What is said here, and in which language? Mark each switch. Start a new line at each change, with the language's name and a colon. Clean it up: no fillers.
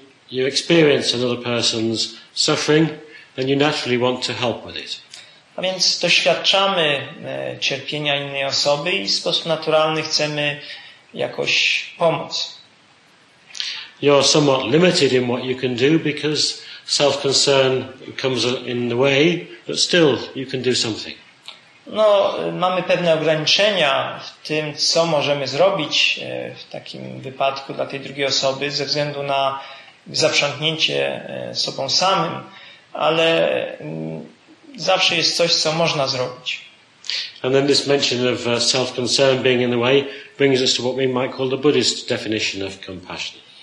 English: You experience another person's suffering and you naturally want to help with it.
Polish: A więc doświadczamy cierpienia innej osoby i w sposób naturalny chcemy jakoś pomóc.
English: You're somewhat limited in what you can do because self-concern comes in the way, but still you can do something.
Polish: No, mamy pewne ograniczenia w tym, co możemy zrobić w takim wypadku dla tej drugiej osoby ze względu na zaprzątnięcie sobą samym, ale zawsze jest coś, co można zrobić.
English: And then this mention of self-concern being in the way brings us to what we might call the Buddhist definition of compassion.